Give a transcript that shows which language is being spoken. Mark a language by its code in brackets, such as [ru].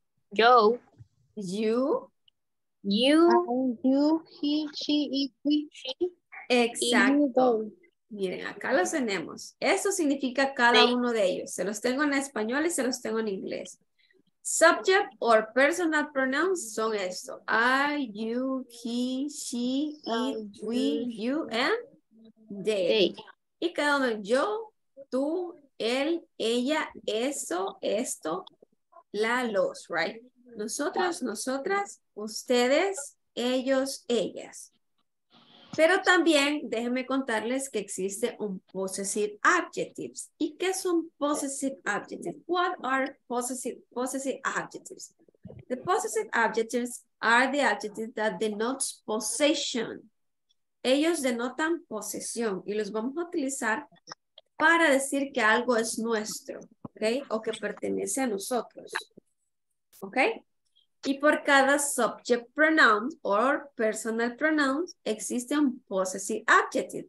[es] Yo. [en] You. You. You, he, she, it, we, she. [es] Exacto. Miren, acá los tenemos. Eso significa cada uno de ellos. Se los tengo en español y se los tengo en inglés. [en] Subject or personal pronouns [es] son esto. [en] I, you, he, she, it, we, you, and they. [es] Y cada uno, yo, tú, él, ella, eso, esto, la, los, [en] right? [es] Nosotros, nosotras, ustedes, ellos, ellas. Pero también déjenme contarles que existe un possessive adjectives. ¿Y qué son [en] possessive adjectives? What are possessive adjectives? The possessive adjectives are the adjectives that denotes possession. [es] Ellos denotan posesión y los vamos a utilizar para decir que algo es nuestro, ¿okay? O que pertenece a nosotros, ¿okay? Y por cada [en] subject pronoun or personal pronoun [es] existe un [en] possessive adjective.